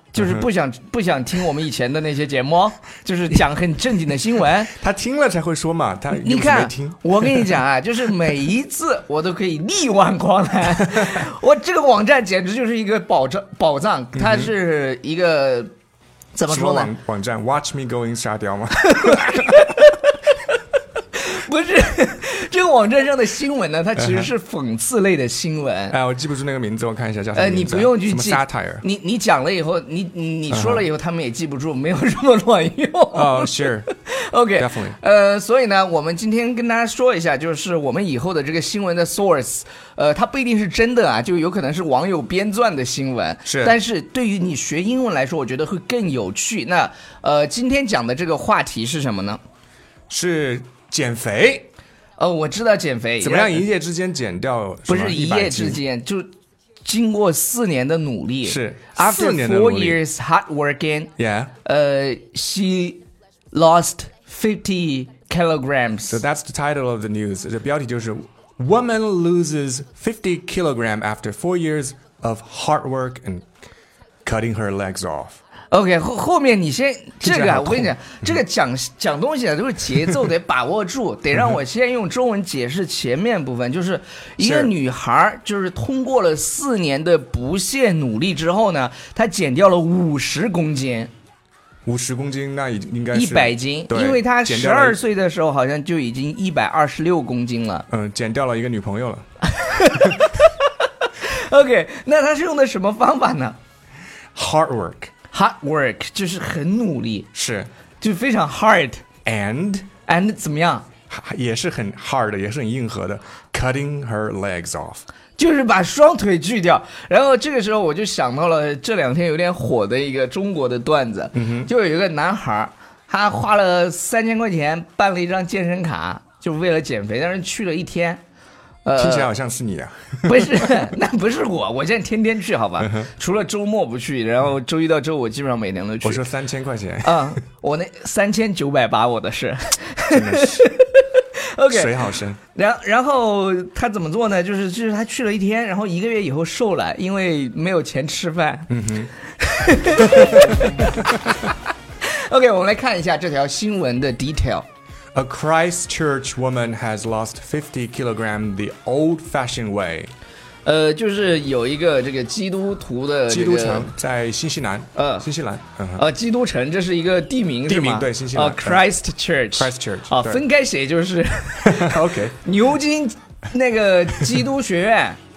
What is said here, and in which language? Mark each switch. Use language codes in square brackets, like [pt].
[zh] 就是不想听我们以前的那些节目，就是讲很正经的新闻。他听了才会说嘛，他你看没听？我跟你讲啊，就是每一次我都可以力挽狂澜。我这个网站简直就是一个宝藏，它是一个怎么说呢？网站 Watch Me Going 沙雕吗？不是，这个网站上的新闻呢，它其实是讽刺类的新闻。哎，我记不住那个名字，我看一下叫什么名字。你不用去记。什么 satire? 你讲了以后，你说了以后，他们也记不住，没有什么卵用。 [en] 哦、sure. OK. Definitely. [zh] 所以呢，我们今天跟大家说一下，就是我们以后的这个新闻的 source, 它不一定是真的啊，就有可能是网友编撰的新闻。是。但是对于你学英文来说，我觉得会更有趣。那今天讲的这个话题是什么呢？是。减肥，我知道减肥怎么样，一夜之间减掉什么，不是一夜之间，就经过四年的努力，是 [en] after 4 years hard working, yeah, she lost 50 kilograms. So that's the title of the news. [zh] 这标题就是 [en] Woman loses 50 kilograms after 4 years of hard work and cutting her legs off. [zh] OK, 后面你先这个、啊、我跟你讲这个讲东西啊，就是节奏得把握住得让我先用中文解释前面部分，就是一个女孩就是通过了四年的不懈努力之后呢，她减掉了50公斤。 50公斤那应该是 100斤，因为她12岁的时候好像就已经126公斤了。嗯，减掉了一个女朋友了。 OK, 那她是用的什么方法呢？ [en] Hard work [zh] 就是很努力，是就非常 hard, [en] and [zh] 怎么样，也是很 hard, 也是很硬核的 [en] cutting her legs off, [zh] 就是把双腿锯掉。然后这个时候我就想到了这两天有点火的一个中国的段子、嗯、就有一个男孩他花了3000块钱办了一张健身卡就为了减肥，但是去了一天听起来好像是你啊。不是，那不是我，我现在天天去好吧、嗯、除了周末不去，然后周一到周五基本上每年都去。我说3000块钱啊、嗯，我那3980我的是真的是。 [en] OK, [zh] 水好深。然后他怎么做呢，就是他去了一天，然后一个月以后瘦了，因为没有钱吃饭。嗯哼。 OK, 我们来看一下这条新闻的 detail。 [en] A Christchurch woman has lost 50 kilograms the old-fashioned way. [zh] 就是有一个这个基督徒的、这个、基督城在新西兰。新西兰。基督城这是一个地名是吗？地名对，新西兰。 [en] Christchurch。 Christchurch。 [zh] 啊，分开写就是。 [en] OK。 [zh] 牛津那个基督学院。